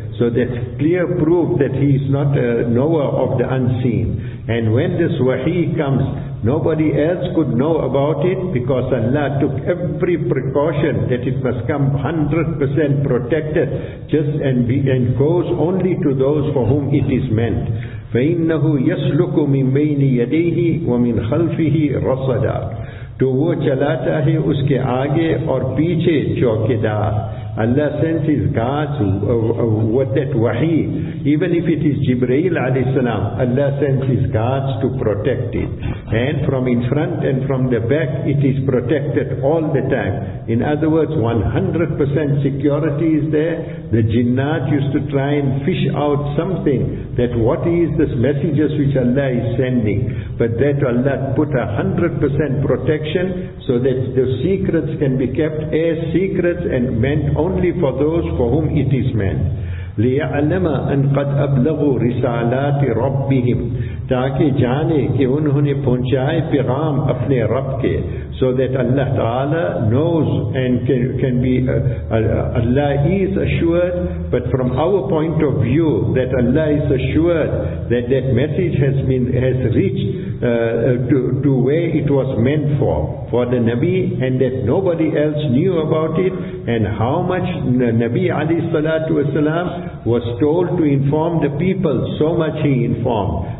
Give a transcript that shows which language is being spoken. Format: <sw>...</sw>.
<en>So that's clear proof that he is not a knower of the unseen. And when this wahi comes, nobody else could know about it, because Allah took every precaution that it must come 100% protected, just and goes only to those for whom it is meant.</en> <ar>فَإِنَّهُ يَسْلُكُ مِنْ بَيْنِ يَدَيْهِ وَمِنْ خَلْفِهِ رَصَدًا</ar> <ur>تو وہ چلاتا ہے اس کے آگے اور پیچھے چوکیدار.</ur> <en>Allah sends His guards with that wahi. Even if it is Jibreel alayhi salam, Allah sends His guards to protect it. And from in front and from the back, it is protected all the time. In other words, 100% security is there. The jinnat used to try and fish out something, that what is this messages which Allah is sending. But that Allah put 100% protection, so that the secrets can be kept as secrets and meant only for those for whom it is meant.</en> <ar>لِيَعْلَمَ أَنْ قَدْ أَبْلَغُوا رِسَالَاتِ رَبِّهِمْ</ar> <ur>تَاكِ جَانِ کہ انہوں نے پہنچائے پیغام اپنے رب کے.</ur> <en>So that Allah Ta'ala knows and can be, Allah is assured, but from our point of view, that Allah is assured that that message has reached to where it was meant for the Nabi, and that nobody else knew about it, and how much Nabi alayhi salatu wasalam was told to inform the people, so much he informed.</en>